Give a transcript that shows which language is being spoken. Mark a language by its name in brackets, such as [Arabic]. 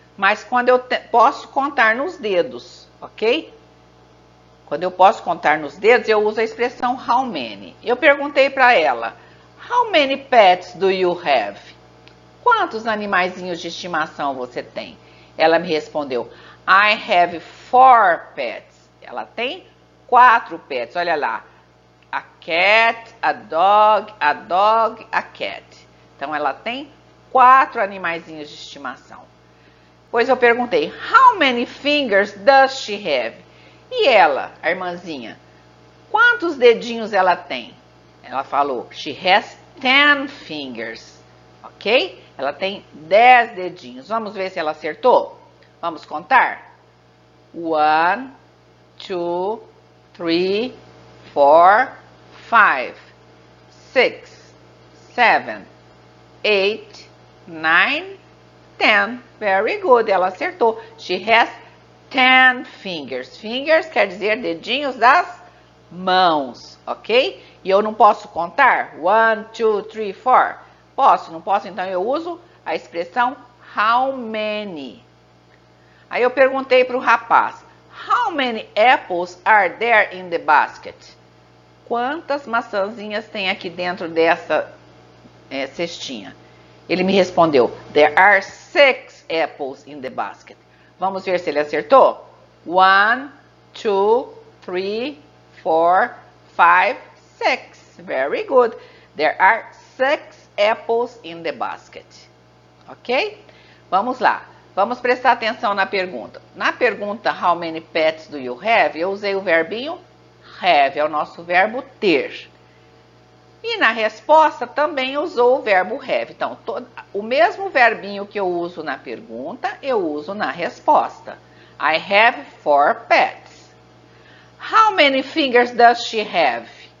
[Portuguese] Mas quando eu posso contar nos dedos, ok? Quando eu posso contar nos dedos, eu uso a expressão how many. Eu perguntei para ela, [English] how many pets do you have? [Portuguese] Quantos animaizinhos de estimação você tem? Ela me respondeu, [English] I have 4 pets. [Portuguese] Ela tem 4 pets, olha lá. [English] A cat, a dog, a cat. [Portuguese] Então, ela tem 4 animaizinhos de estimação. Pois eu perguntei, [English] how many fingers does she have? [Portuguese] E ela, a irmãzinha, quantos dedinhos ela tem? Ela falou, [English] she has 10 fingers, ok? [Portuguese] Ela tem 10 dedinhos. Vamos ver se ela acertou? Vamos contar? [English] 1, 2, 3, 4, 5, 6, 7, 8, 9, 10. Very good. [Portuguese] Ela acertou. [English] She has 10 fingers. [Portuguese] Fingers quer dizer dedinhos das mãos, ok? E eu não posso contar? 1, 2, 3, 4. Posso, não posso? Então, eu uso a expressão how many. Aí, eu perguntei para o rapaz. [English] How many apples are there in the basket? [Portuguese] Quantas maçãzinhas tem aqui dentro dessa cestinha? Ele me respondeu, [English] there are 6 apples in the basket. [Portuguese] Vamos ver se ele acertou. [English] 1, 2, 3, 4, 5, 6. Very good. There are 6 apples in the basket. [Portuguese] Ok? Vamos lá. Vamos prestar atenção na pergunta. Na pergunta, [English] how many pets do you have? [Portuguese] Eu usei o verbinho have, é o nosso verbo ter. E na resposta também usou o verbo have. Então, o mesmo verbinho que eu uso na pergunta, eu uso na resposta. [English] I have 4 pets. How many fingers does she have?